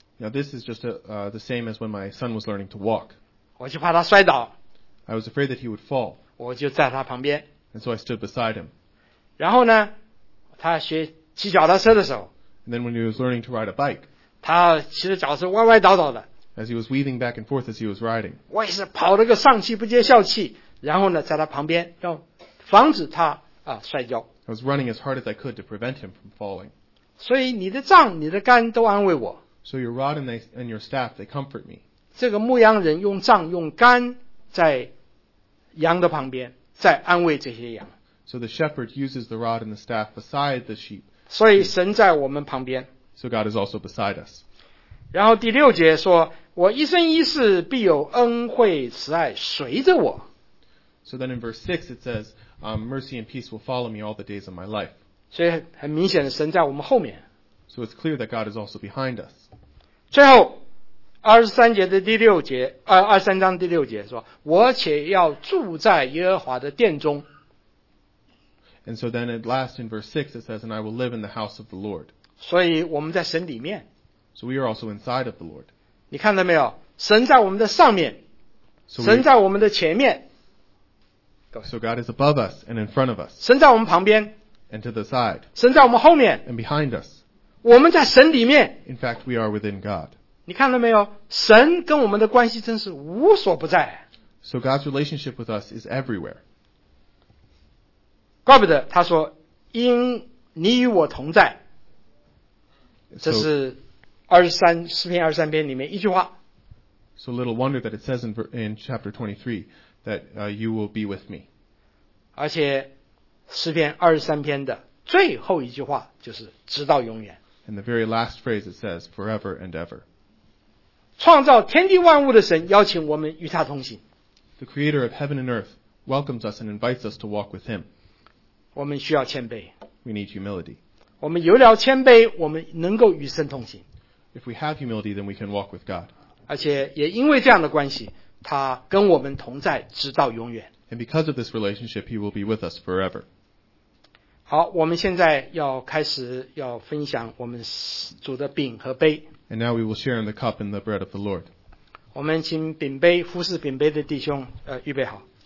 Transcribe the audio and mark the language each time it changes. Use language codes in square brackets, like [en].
[en] Now, this is just the same as when my son was learning to walk. [zh] 我就怕他摔倒。 [en] I was afraid that he would fall. [zh] 我就在他旁边。 [en] And so I stood beside him. [zh] 然后呢，他学骑脚踏车的时候。 [en] And then when he was learning to ride a bike. [zh] 他骑着脚踏车歪歪倒倒的。 [en] As he was weaving back and forth as he was riding. [zh] 我也是跑了个上气不接下气，然后呢，在他旁边，要防止他摔跤。 [en] I was running as hard as I could to prevent him from falling. [zh] 所以你的杖、你的竿都安慰我。 [en] So your rod and your staff, they comfort me. [zh] 这个牧羊人用杖、用竿在羊的旁边，在安慰这些羊。 [en] So the shepherd uses the rod and the staff beside the sheep. [zh] 所以神在我们旁边。 [en] So God is also beside us. [zh] 然后第六节说，我一生一世必有恩惠慈爱随着我。 [en] So then in verse 6 it says, mercy and peace will follow me all the days of my life. [zh] 所以很明显的，神在我们后面。 [en] So it's clear that God is also behind us. [zh] 最后23节的第六节23章第六节说，我且要住在耶和华的殿中。 [en] And so then at last in verse 6 it says, and I will live in the house of the Lord. [zh] 所以我们在神里面。 [en] So we are also inside of the Lord. [zh] 你看到没有，神在我们的上面，神在我们的前面。 [en] So God is above us and in front of us. [zh] 神在我们旁边。 [en] And to the side. [zh] 神在我们后面。 [en] And behind us. [zh] 我们在神里面。 [en] In fact, we are within God. [zh] 你看到没有，神跟我们的关系真是无所不在。 [en] So God's relationship with us is everywhere. [zh] 怪不得他说，因你与我同在。这是诗篇23篇里面一句话。 [en] So little wonder that it says in chapter 23 that you will be with me. [zh] 而且诗篇23篇的最后一句话就是直到永远。 [en] And the very last phrase it says, forever and ever. [zh] 创造天地万物的神邀请我们与他同行。 [en] The creator of heaven and earth welcomes us and invites us to walk with him. [zh] 我们需要谦卑。 [en] We need humility. [zh] 我们有了谦卑，我们能够与神同行。 [en] If we have humility, then we can walk with God. [zh] 而且也因为这样的关系，他跟我们同在直到永远。 [en] And because of this relationship, he will be with us forever. [zh] 好，我们现在要开始要分享我们主的饼和杯。 [en] And now we will share in the cup and the bread of the Lord. [zh] 我们请饼杯，服侍饼杯的弟兄，预备好。